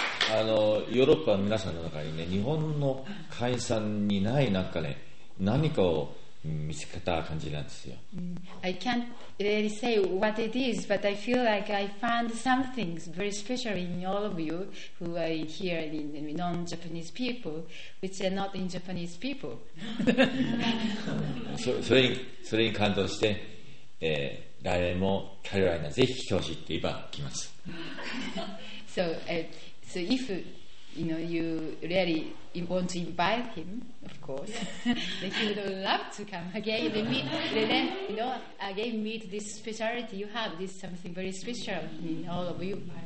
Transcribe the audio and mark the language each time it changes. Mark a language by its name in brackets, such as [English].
[Japanese] ヨーロッパの皆さんの中にね、日本の会員さんにないなんかね。何かを見つけた感じなんですよ。 [English] I can't really say what it is, but I feel like I found some things very special in all of you who are here in non-Japanese people, which are not in Japanese people. [Japanese] それに感動して、来年もキャロライナぜひ来てほしいって言えば来ます。 [English] So, so if you know you really want to invite him. Of course, then he would love to come again. They meet, they then, you know, again meet this speciality you have. This something very special in all of you.